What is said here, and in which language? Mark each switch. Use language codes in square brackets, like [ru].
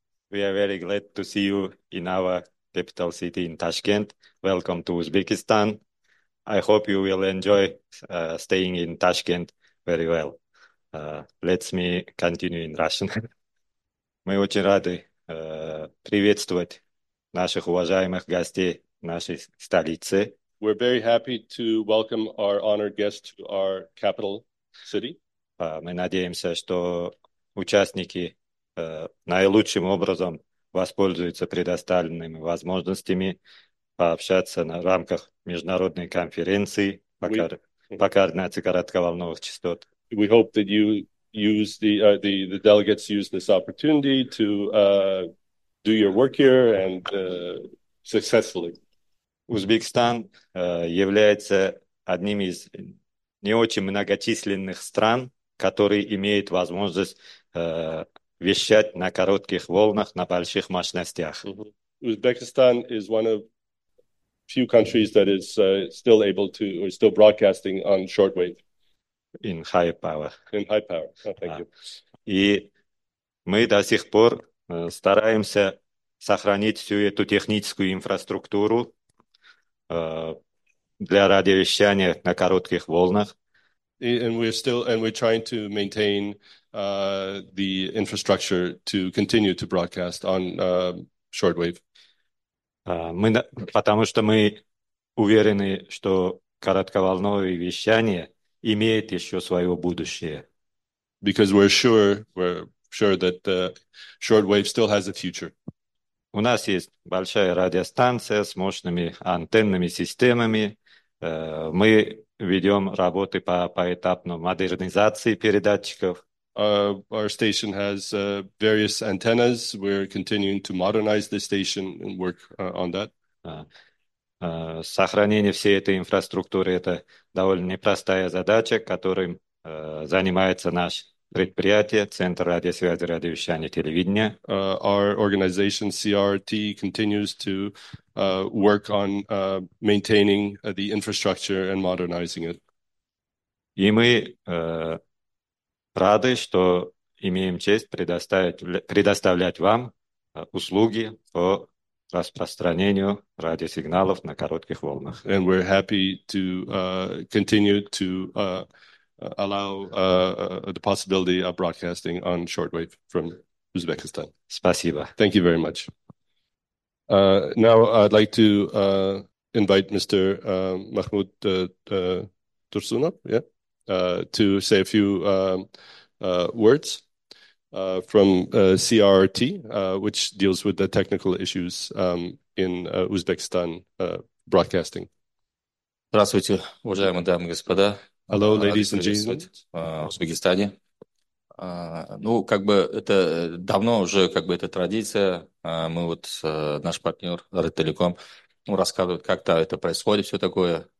[en] We are very glad to see you in our capital city in Tashkent. Welcome to Uzbekistan. I hope you will enjoy staying in Tashkent very well. Let me continue in Russian. [ru] Мы очень рады приветствовать наших уважаемых гостей нашей столицы. [en] We're very happy to welcome our honored guest to our capital city. [ru] Мы надеемся, что участники наилучшим образом воспользуются предоставленными возможностями пообщаться на рамках международной конференции по координации коротковолновых частот. [en] We hope that you use the delegates use this opportunity to do your work here and successfully. [ru] Узбекистан является одним из не очень многочисленных стран, которые имеют возможность вещать на коротких волнах на больших мощностях. [en] Узбекистан is one of few countries that is still able to or still broadcasting on shortwave. In high power. Oh, thank you. [ru] И мы до сих пор стараемся сохранить всю эту техническую инфраструктуру для радиовещания на коротких волнах. [en] And we're trying to maintain the infrastructure to continue to broadcast on shortwave. [ru] Потому что мы уверены, что коротковолновое вещание имеет еще свое будущее. [en] Because we're sure that shortwave still has a future. [ru] У нас есть большая радиостанция с мощными антенными системами. Мы ведем работы по поэтапной модернизации передатчиков. [en] Our station has various antennas. We're continuing to modernize the station and work on that. [ru] Сохранение всей этой инфраструктуры — это довольно непростая задача, которой занимается наш предприятие, Центр радиосвязи, радиовещания, телевидения. [en] Our organization, CRRT, continues to work on maintaining the infrastructure and modernizing it. [ru] И мы рады, что имеем честь предоставлять вам услуги по распространению радиосигналов на коротких волнах. [en] And we're happy to continue to allow the possibility of broadcasting on shortwave from Uzbekistan. [ru] Спасибо. [en] Thank you very much. Now I'd like to invite Mr. Mahmoud Tursunov, to say a few words from CRRT, which deals with the technical issues in Uzbekistan broadcasting. [ru] Здравствуйте, уважаемые дамы и господа. [en] Hello, ladies and gentlemen. [ru] В Узбекистане. Ну, как бы это давно уже как бы это традиция. Мы вот наш партнер Ritelecom рассказывает, как-то это происходит все такое.